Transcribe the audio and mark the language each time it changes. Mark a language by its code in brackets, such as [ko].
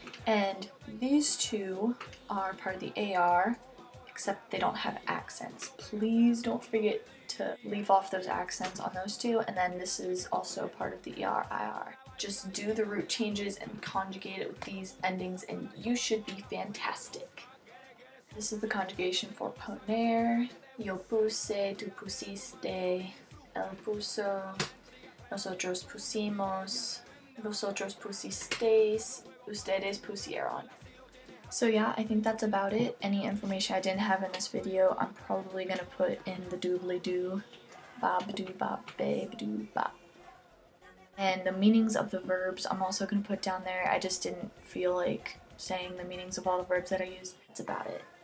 [en] And these two are part of the AR, except they don't have accents. Please don't forget to leave off those accents on those two. And then this is also part of the ER, IR. Just do the root changes and conjugate it with these endings and you should be fantastic. This is the conjugation for poner. [es] Yo puse, tú pusiste, él puso, nosotros pusimos, vosotros pusisteis, ustedes pusieron. [en] So yeah, I think that's about it. Any information I didn't have in this video, I'm probably gonna put in the doobly-doo. Bob-doo-bob-babe-doo-bob. And the meanings of the verbs, I'm also gonna put down there. I just didn't feel like saying the meanings of all the verbs that I used. That's about it.